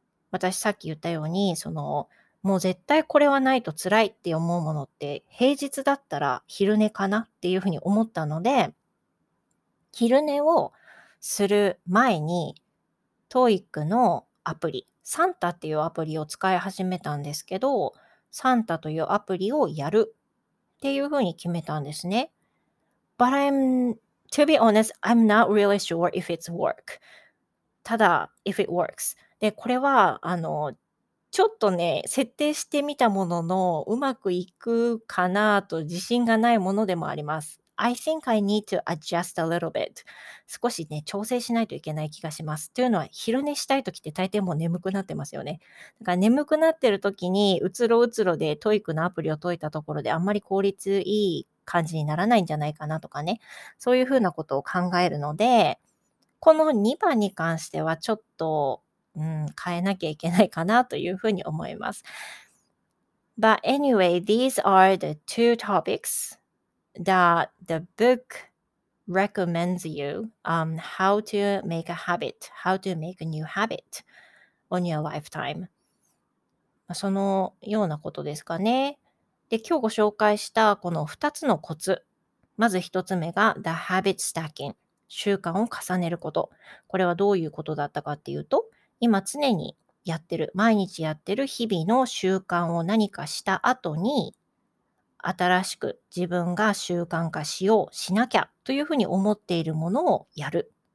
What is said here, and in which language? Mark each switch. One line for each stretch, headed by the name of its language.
Japanese: 私さっき言ったように、もう絶対これはないと辛いって思うものって、平日だったら昼寝かなっていうふうに思ったので、昼寝をする前に、TOEIC のアプリ、サンタっていうアプリを使い始めたんですけど、サンタというアプリをやるっていうふうに決めたんですね。
English: But I'm, to be honest, I'm not really sure if it's work.
Japanese: ただ、
English: if it works.
Japanese: で、これは、ちょっとね、設定してみたものの、うまくいくかなと自信がないものでもあります。
English: I think I need to adjust a little bit.
Japanese: 少しね、調整しないといけない気がします。というのは、昼寝したいときって大抵もう眠くなってますよね。だから眠くなってるときに、うつろうつろでTOEICのアプリを解いたところで、あんまり効率いい感じにならないんじゃないかなとかね。そういうふうなことを考えるので、この2番に関してはちょっと、変えなきゃいけないかなというふうに思います。
English: But anyway, these are the two topics. That the book recommends you how to make a habit, how to make a new habit on your lifetime.
Japanese: そのようなことですかね。で、今日ご紹介したこの2つのコツ。まず1つ目が the habit stacking, 習慣を重ねること。これはどういうことだったかっていうと、今常にやってる、毎日やってる日々の習慣を何かした後に、新しく自分が習慣化しよう、しなきゃというふうに思っているものをやる。